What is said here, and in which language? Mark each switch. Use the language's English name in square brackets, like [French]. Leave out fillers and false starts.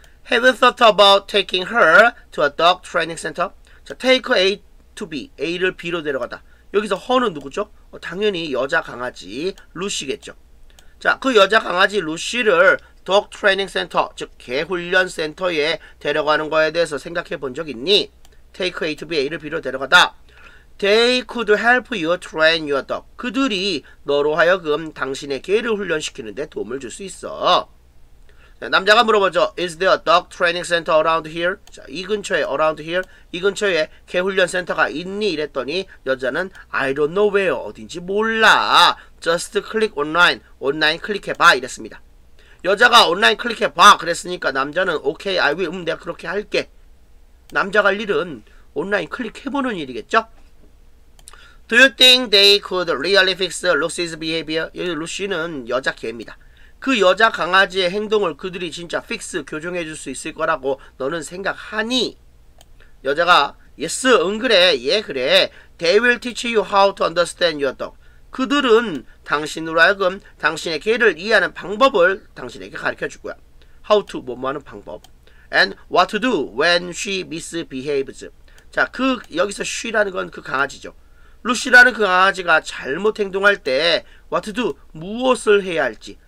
[English] Have you thought about taking her to a dog training center? [Korean] 자, [English] take A to B. [Korean] A를 B로 데려가다. 여기서 her는 누구죠? 당연히 여자 강아지 루시겠죠. 자, 그 여자 강아지 루시를 [English] dog training center, [Korean] 즉 개 훈련 센터에 데려가는 거에 대해서 생각해 본 적 있니? [English] Take A to B. [Korean] A를 B로 데려가다. [English] They could help you train your dog. [Korean] 그들이 너로 하여금 당신의 개를 훈련시키는 데 도움을 줄 수 있어. 남자가 물어보죠. [English] Is there a dog training center around here? [Korean] 자, 이 근처에 [English] around here? [Korean] 이 근처에 개 훈련 센터가 있니? 이랬더니 여자는 [English] I don't know where [Korean] 어딘지 몰라. [English] Just click online. [Korean] 온라인 클릭해봐. 이랬습니다. 여자가 온라인 클릭해봐. 그랬으니까 남자는 [English] Okay, I will. [Korean] 내가 그렇게 할게. 남자가 할 일은 온라인 클릭해보는 일이겠죠? [English] Do you think they could really fix Lucy's behavior? [Korean] 여기 루시는 여자 개입니다. 그 여자 강아지의 행동을 그들이 진짜 픽스, 교정해줄 수 있을 거라고 너는 생각하니? 여자가 yes, 응 그래, 예 그래. [English] They will teach you how to understand your dog. [Korean] 그들은 당신으로 하여금 당신의 개를 이해하는 방법을 당신에게 가르쳐줄 거야. [English] How to, [Korean] 뭐뭐 하는 방법. [English] And what to do when she misbehaves. [Korean] 자, 그 여기서 she라는 건 그 강아지죠. 루시라는 그 강아지가 잘못 행동할 때 [English] what to do, [Korean] 무엇을 해야 할지.